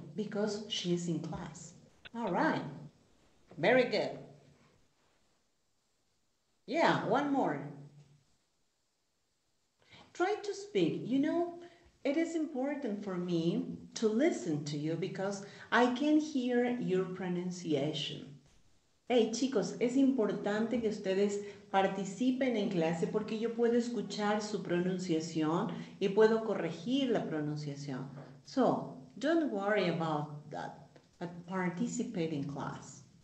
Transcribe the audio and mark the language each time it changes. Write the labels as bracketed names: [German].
[English] Because she's in class. All right. Very good. Yeah, one more. Try to speak. You know, it is important for me to listen to you because I can hear your pronunciation. [Spanish] Hey, chicos, es importante que ustedes participen en clase porque yo puedo escuchar su pronunciación y puedo corregir la pronunciación. [English] So, don't worry about that, but participate in class.